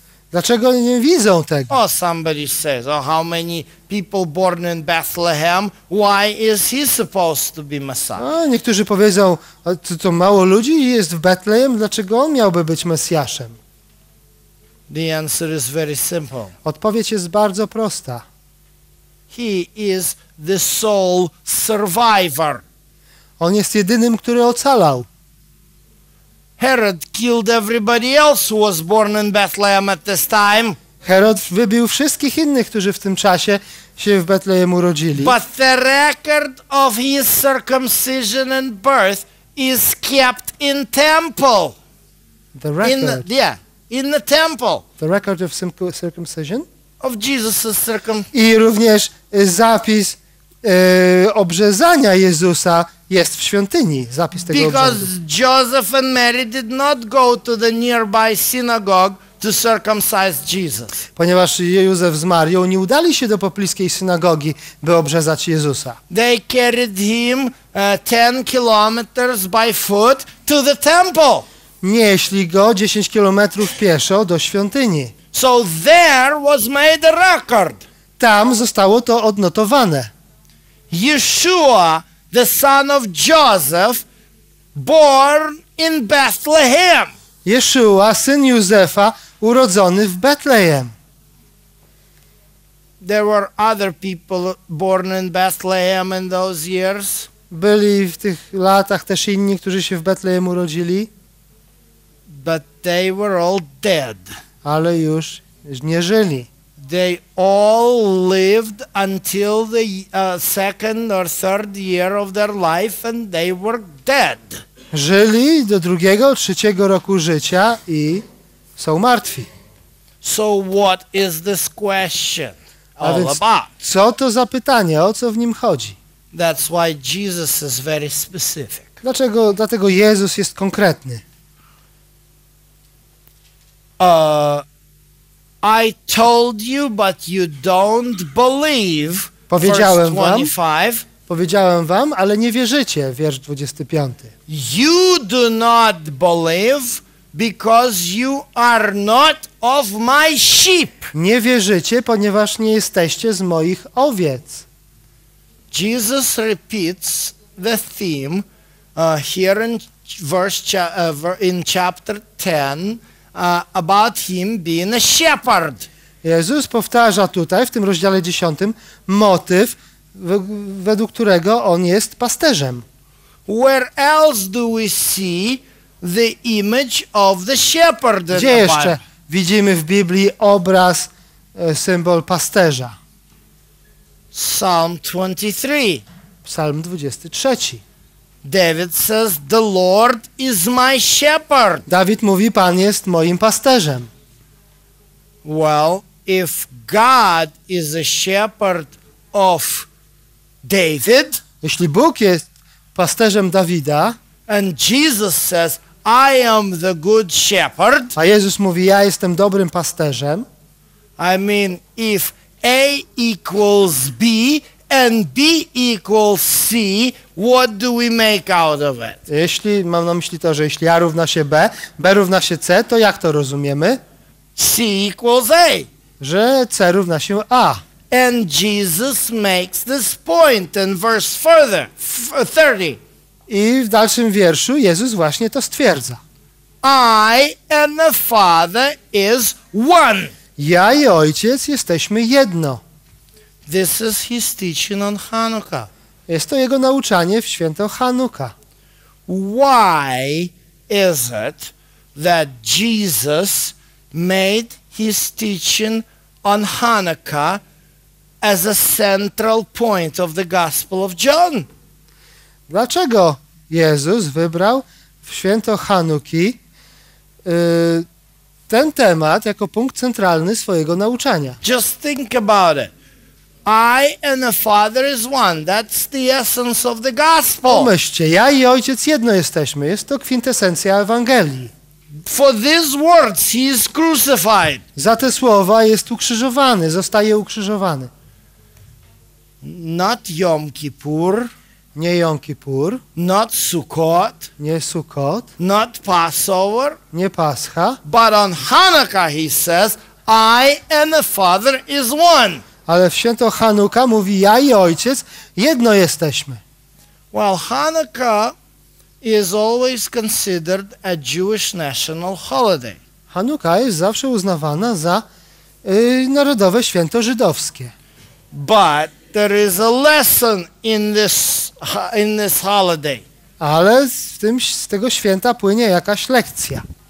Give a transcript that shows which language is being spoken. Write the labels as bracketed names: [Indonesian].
[Polish] Dlaczego nie widzą tego? [English] Oh, somebody says, oh, how many people born in Bethlehem, why is he supposed to be Messiah? [Polish] A niektórzy powiedzą, to mało ludzi jest w Betlejem, dlaczego on miałby być Mesjaszem? [English] The answer is very simple. [Polish] Odpowiedź jest bardzo prosta. [English] He is the sole survivor. [Polish] On jest jedynym, który ocalał. [English] Herod killed everybody else who was born in Bethlehem at this time. [Polish] Herod wybił wszystkich innych, którzy w tym czasie się w Betlejem urodzili. [English] But the record of his circumcision and birth is kept in temple. The record. In the temple. The record of circumcision. Of Jesus' [Polish] I również zapis obrzezania Jezusa jest w świątyni, zapis tego obrzędu. [English] Because Joseph and Mary did not go to the nearby synagogue to circumcise Jesus. [Polish] Ponieważ Józef z Marią nie udali się do pobliskiej synagogi, by obrzezać Jezusa. [English] They carried him 10 kilometers by foot to the temple. [Polish] Nieśli go 10 kilometrów pieszo do świątyni. [English] So there was made a record. [Polish] Tam zostało to odnotowane. [English] Yeshua, the son of Joseph, born in Bethlehem. [Polish] Yeshua, syn Józefa, urodzony w Betlejem. [English] There were other people born in Bethlehem in those years. [Polish] Byli w tych latach też inni, którzy się w Betlejem urodzili. [English] But they were all dead. [Polish] Ale już nie żyli. [English] They all lived until the second or third year of their life and they were dead. [Polish] Żyli do drugiego, trzeciego roku życia i są martwi. [English] So what is this question all about? [Polish] Co to za pytanie, o co w nim chodzi? [English] That's why Jesus is very specific. [Polish] Dlatego Jezus jest konkretny. [English] I told you, but you don't believe. [Polish] Powiedziałem wam. Powiedziałem wam, ale nie wierzycie. Wiersz 25. [English] You do not believe because you are not of my sheep. [Polish] Nie wierzycie, ponieważ nie jesteście z moich owiec. [English] Jesus repeats the theme here in verse in chapter 10 about him being a shepherd. [Polish] Jezus powtarza tutaj w tym rozdziale 10 motyw, według którego on jest pasterzem. [English] Where else do we see the image of the shepherd? [Polish] Gdzie jeszcze widzimy w Biblii obraz, symbol pasterza? [English] Psalm 23. [Polish] Psalm 23. [English] David says, "The Lord is my shepherd." [Polish] Dawid mówi, Pan jest moim pasterzem. [English] Well, if God is a shepherd of David, [Polish] jeśli Bóg jest pasterzem Dawida, [English] and Jesus says, "I am the good shepherd," [Polish] a Jezus mówi, ja jestem dobrym pasterzem. [English] I mean, if A equals B and B equals C, what do we make out of it? [Polish] Jeśli mam na myśli to, że jeśli A równa się B, B równa się C, to jak to rozumiemy? [English] C equals A. [Polish] Że C równa się A. [English] And Jesus makes this point in verse further, 30. [Polish] I w dalszym wierszu Jezus właśnie to stwierdza. [English] I and the Father is one. [Polish] Ja i Ojciec jesteśmy jedno. [English] This is his teaching on Hanukkah. [Polish] Jest to jego nauczanie w święto Hanuka. [English] Why is it that Jesus made his teaching on Hanukkah as a central point of the Gospel of John? [Polish] Dlaczego Jezus wybrał w święto Hanuki ten temat jako punkt centralny swojego nauczania? [English] Just think about it. I and the Father is one. That's the essence of the gospel. [Polish] Pomyślcie, ja i Ojciec jedno jesteśmy. Jest to kwintesencja Ewangelii. [English] For these words he is crucified. [Polish] Za te słowa jest ukrzyżowany, zostaje ukrzyżowany. [English] Not Yom Kippur. [Polish] Nie Yom Kippur. [English] Not Sukkot. [Polish] Nie Sukkot. [English] Not Passover. [Polish] Nie Pascha. [English] But on Hanukkah he says, I and the Father is one. [Polish] Ale w święto Hanuka mówi, ja i Ojciec jedno jesteśmy. [English] Well, Hanukkah is always considered a Jewish national holiday. [Polish] Hanuka jest zawsze uznawana za narodowe święto żydowskie. [English] But there is a lesson in this holiday. [Polish] Ale z tego święta płynie jakaś lekcja.